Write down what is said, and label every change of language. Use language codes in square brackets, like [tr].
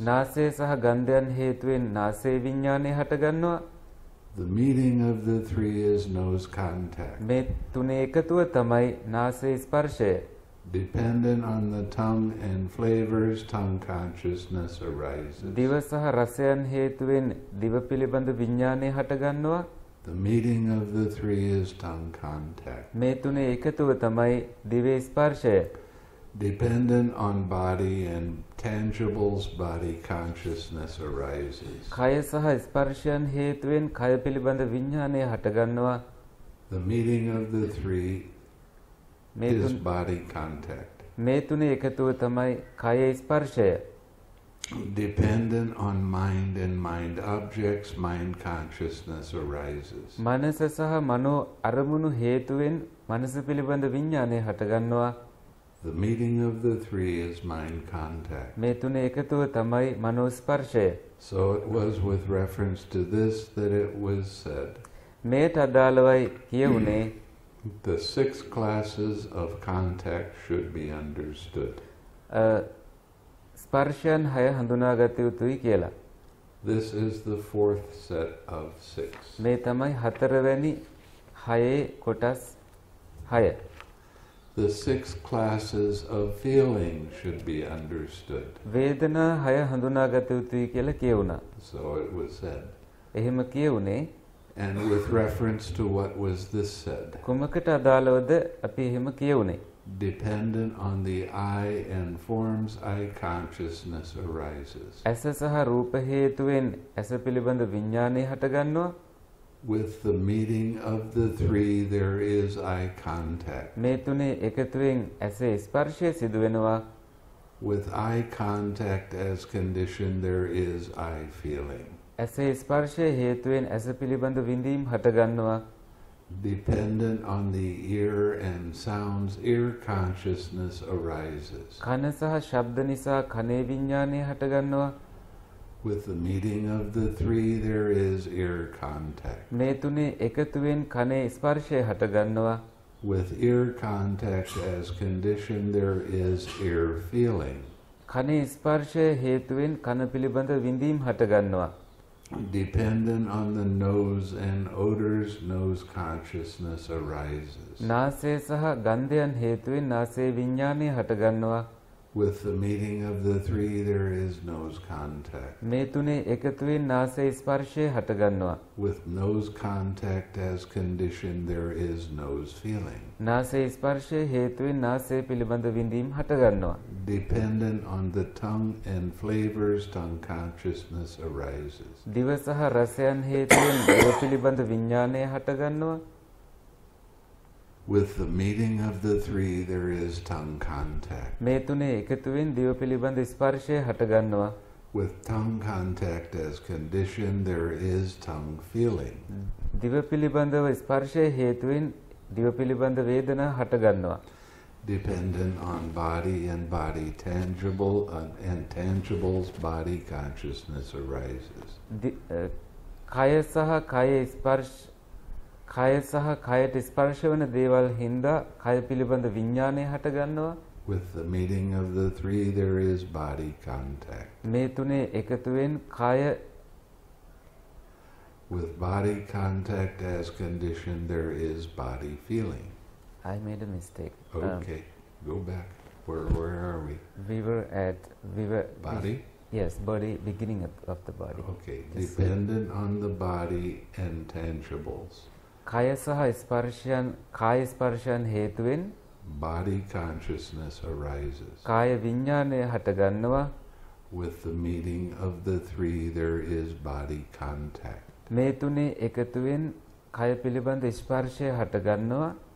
[si] නාසය සහ ගන්ධයන් හේතුවෙන් නාසය විඥානය හටගන්නවා. [en] The meeting of the three is nose contact. [si] මේ තුනේ එකතුව තමයි නාසය ස්පර්ශය. [en] Dependent on the tongue and flavors, tongue consciousness arises. [si] දිව සහ රසයන් හේතුවෙන් දිව පිළිබඳ විඥානය හටගන්නවා. [en] The meeting of the three is tongue contact. [si] මේ තුනේ එකතුව තමයි දිවේ ස්පර්ශය. [en] Dependent on body and tangibles, body consciousness arises. [si] කය සහ ස්පර්ශයන් හේතුවෙන් කය පිළිබඳ විඥානය හටගන්නවා. [en] The meeting of the three is body contact. [si] මේ තුනේ එකතුව තමයි කය ස්පර්ශය. [en] Dependent on mind and mind objects, mind consciousness arises. [si] මනස සහ මනෝ අරමුණු හේතුවෙන් මනස පිළිබඳ විඥානය හටගන්නවා. [en] The meeting of the three is mind contact. [si] මේ තුනේ එකතුව තමයි මනෝ ස්පර්ශය. [en] So it was with reference to this that it was said. [si] මේට අදාළවයි කියුනේ. [en] The six classes of contact should be understood. [si] ස්පර්ශයන් හය හඳුනාගත යුතුයි කියලා. [en] This is the fourth set of six. [si] මේ තමයි හතරවැනි හයේ කොටස් හය. [en] The six classes of feeling should be understood. [si] වේදනා හය හඳුනාගත යුතුයි කියලා කියුණා. [en] So it was said. [si] එහෙම කියුනේ. [en] And with reference to what was this said? [si] කුමකට අදාළවද අපි එහෙම කියුනේ? [en] Dependent on the eye and forms, eye consciousness arises. [si] ඇස සහ රූප හේතුවෙන් ඇස පිළිබඳ විඥානය හටගන්නවා. [en] With the meeting of the three, there is eye contact. [si] මේ තුනේ එකතුවෙන් ඇසේ ස්පර්ශය සිදු වෙනවා. [en] With eye contact as condition, there is eye feeling. [si] ඇසේ ස්පර්ශය හේතුවෙන් ඇස පිළිබඳ විඳීම් හටගන්නවා. [en] Dependent on the ear and sounds, ear consciousness arises. [si] කන සහ ශබ්ද නිසා කනේ විඥානය හටගන්නවා. [en] With the meeting of the three, there is ear contact. [si] මේ තුනේ එකතුවෙන් කනේ ස්පර්ශය හටගන්නවා. [en] With ear contact as condition, there is ear feeling. [si] කනේ ස්පර්ශය හේතුවෙන් කන පිළිබඳ විඳීම් හටගන්නවා. [en] Dependent on the nose and odors, nose consciousness arises. [si] නාසය සහ ගන්ධයන් හේතුවෙන් නාසයේ විඥානය හටගන්නවා. [en] With the meeting of the three, there is nose contact. [si] මේ තුනේ එකතුවෙන් නාසයේ ස්පර්ශය හටගන්නවා. [en] With nose contact as condition, there is nose feeling. [si] නාසයේ ස්පර්ශය හේතුවෙන් නාසයේ පිළිබඳ විඳීම් හටගන්නවා. [en] Dependent on the tongue and flavors, tongue consciousness arises. [si] දිව සහ රසයන් හේතුවෙන් දිව පිළිබඳ විඥානය හටගන්නවා. [en] With the meeting of the three, there is tongue contact. [si] මේ තුනේ එකතුවෙන් දිව පිළිබඳ ස්පර්ශය හටගන්නවා. [en] With tongue contact as condition, there is tongue feeling. [si] දිව පිළිබඳ ස්පර්ශය හේතුවෙන් දිව පිළිබඳ වේදනා හටගන්නවා. [en] Dependent on body and body tangible and tangibles, body consciousness arises. [si] කය සහ කය ස්පර්ශ කය සහ කයට ස්පර්ශ වන දේවල් හින්දා කය පිළිබඳ විඥානය හටගන්නවා. [en] With the meeting of the three, there is body contact. [si] මේ තුනේ එකතුවෙන් කය. [en] With body contact as condition, there is body feeling. I made a mistake. Okay, go back. Where are we? We were at body. Yes, body, beginning of the body. Okay, dependent on the body and tangibles. [si] කය සහ ස්පර්ශයන් කාය ස්පර්ශයන් හේතුවෙන් [en] body consciousness arises. [si] කාය විඥානය හටගන්නවා. [en] With the meeting of the three, there is body contact. [si] මේ තුනේ එකතුවෙන් කය පිළිබඳ ස්පර්ශය හටගන්නවා.